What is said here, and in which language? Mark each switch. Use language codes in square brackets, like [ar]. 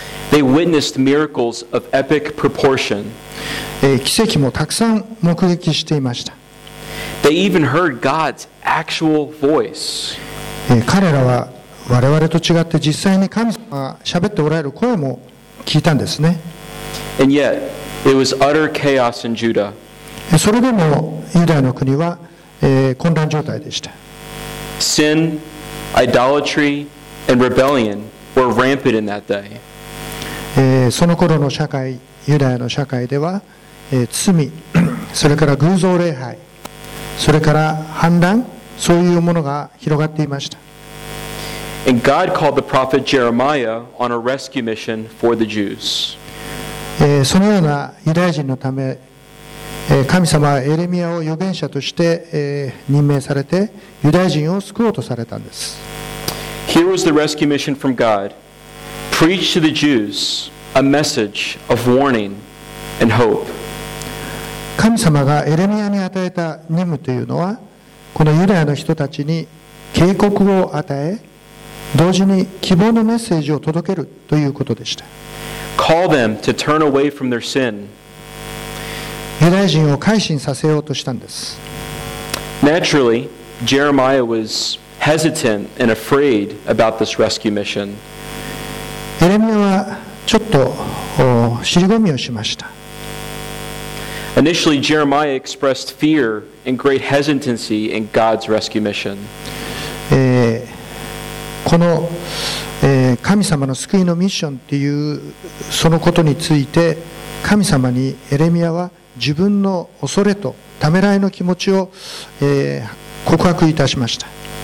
[en] They witnessed miracles of epic proportion. [ja] 奇跡もたくさん目撃していました。 [en] They even heard God's actual voice. [ja] 彼らは我々と違って実際に神様が喋っておられる声も聞いたんですね。 [en] And yet, it was utter chaos in Judah. [ja] それでもユダヤの国は、混乱状態でした。 [en] Sin, idolatry, and rebellion were rampant in that day. [ja] その頃の社会、ユダヤの社会では、罪、それから偶像礼拝、それから反乱、そういうものが広がっていました。 [en] And God called the prophet Jeremiah on a rescue mission for the Jews. [ja] そのようなユダヤ人のため、神様はエレミアを預言者として、任命されて、ユダヤ人を救おうとされたんです。 [en] Here was the rescue mission from God. Preach to the Jews a message of warning and hope. [ja] 神様がエレミアに与えた任務というのは、このユダヤの人たちに警告を与え、同時に希望のメッセージを届けるということでした。 [en] Call them to turn away from their sin. [ja] ユダヤ人を改心させようとしたんです。 [en] Naturally, Jeremiah was hesitant and afraid about this rescue mission. [ja] エレミアはちょっと尻込みをしました。 [en] Initially, Jeremiah expressed fear and great hesitancy in God's rescue mission. [ja] この神様の救いのミッションっていうそのことについて神様にエレミアは自分の恐れとためらいの気持ちを告白いたしました。